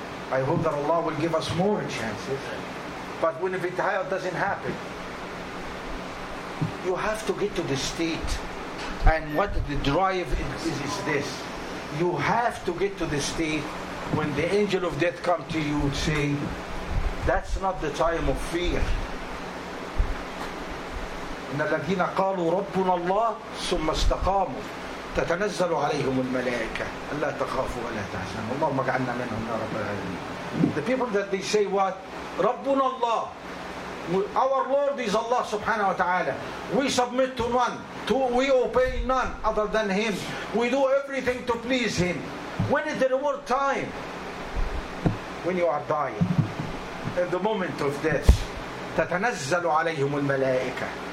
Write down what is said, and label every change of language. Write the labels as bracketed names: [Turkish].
[English] I hope that Allah will give us more chances. But when it doesn't happen, you have to get to the state. And what the drive is this. You have to get to the state when the angel of death comes to you and say, that's not the time of fear. [Arabic] إن الذين قالوا ربنا الله ثم استقاموا تتنزل عليهم الملائكة ألا تخافوا ولا تحزنوا اللهم اجعلنا منهم يا رب العالمين. [English] The people that they say what? [Arabic] ربنا الله. [English] Our Lord is Allah subhanahu wa ta'ala. We submit to none. We obey none other than Him. We do everything to please Him. When is the reward time? When you are dying. In the moment of death. [Arabic] تتنزل عليهم الملائكة.